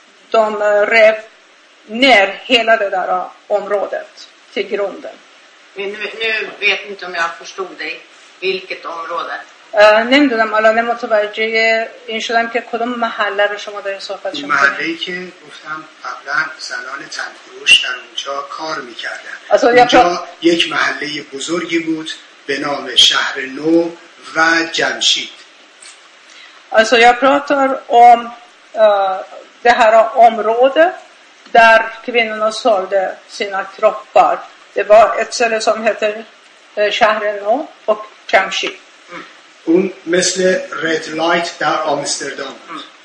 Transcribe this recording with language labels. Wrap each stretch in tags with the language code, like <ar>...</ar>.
<sv>De rev ner hela det där området till grunden. Nu vet inte om jag förstod dig vilket område.</sv> <fa>نمیدونم الان متوجه این شدم که کدوم محله رو شما دارین صحبت شما کنید. محله‌ای که گفتم قبلا زنان تنفروش در اونجا کار میکردن. اونجا یک محله بزرگی بود به نام شهر نو و جمشید.</fa> <sv>Alltså jag pratar om det här området där kvinnorna sålde sina kroppar. Det var ett ställe som heter شهر نو och جمشید.</sv> <fa>اون مثل رد لایت در آمستردام بود.</fa>